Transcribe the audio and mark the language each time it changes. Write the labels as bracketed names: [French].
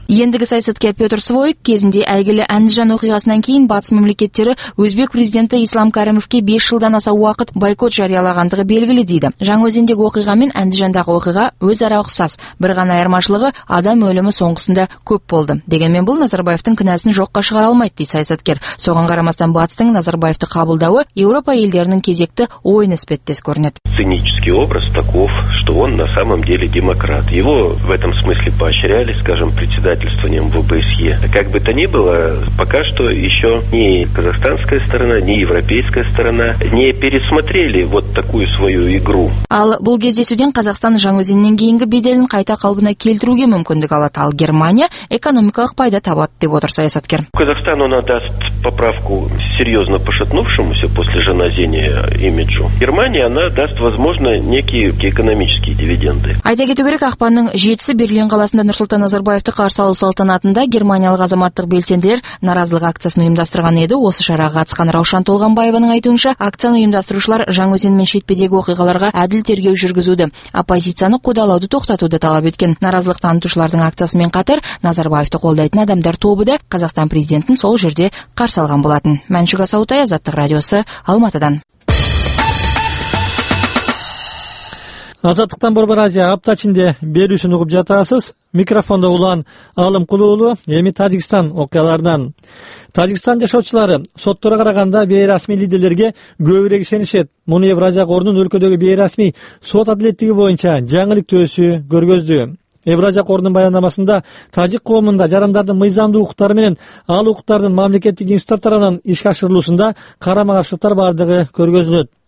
[Kazakh] Ендігі саясаткер Петр Свойк кезінде әйгілі Әндіжан оқиғасынан кейін батыс мемлекеттері өзбек президенті Ислам Кәрімовке 5 жылдан аса уақыт бойкот жариялағандығы белгілі дейді. Жаңөзендегі оқиға мен Әндіжандағы оқиға өзара ұқсас. Бір ғана айырмашылығы адам өлімі соңғысында көп болды. Дегенмен бұл Назарбаевтың кінәсін жоққа шығара алмайды, дейді саясаткер. Соған қарамастан батыстың Назарбаевты қабылдауы Еуропа елі [Russian] Цинический образ таков, что он на самом деле демократ. Его в этом смысле поощряли, скажем, председательствованием в ОБСЕ. Как бы то ни было, пока что еще ни казахстанская сторона, ни европейская сторона не пересмотрели вот такую свою игру. [Kazakh] Ал бұл кезде сөйден Қазақстан Жаңөзеннен кейінгі беделін қайта қалпына келтіруге мүмкіндік алады. Ал Германия экономикалық пайда табады деп отыр саясаткер. [Russian] Казахстан он отдаст поправку серьезно пошатнувшемуся после Жаназе имиджу. Германия, она даст, возможно, некие экономические дивиденды. [Kazakh] Айта кету керек, ақпанның 7-сі Берлин қаласында Нұрсұлтан Назарбаевты қарсы алу салтанатында германиялық азаматтық белсенділер наразылық акциясын ұйымдастырған еді. Осы шараға қатысқан Раушан Толғанбаеваның айтуынша, акцияны ұйымдастырушылар Жаңөзен мен шетпедегі оқиғаларға әділ тергеу жүргізуді, оппозицияны қудалауды тоқтатуды талап еткен. Наразылық танытушылардың акциясымен қатар Назарбаевты қолдайтын адамдар тобы да Қазақстан президентін сол жерде қарсы алған болатын. Мәншүк Асаутай, Азаттық радиосы, Алматы. [Kyrgyz] Азаттықтан Борбор Азия апта ішінде берүүсін угуп жатасыз. Микрофонда улан Алым Кулуулу эми Таджикстан окуяларынан. Таджикстан жашоочулары соттору караганда бейрасмий лидерлерге көбүрөөк ишенишет. Муну Евразия корунун өлкөдөгү бейрасмий сот адилеттиги боюнча жаңылыктоосу көргөздү. Евразия корунун баяндамасында тажик коомунда жарандардын мыйзамдуу укуктары менен ал укуктардын мамлекеттик институттар тарабынан ишке ашырылуусунда карама каршылыктар бардыгы көргөзүлөт.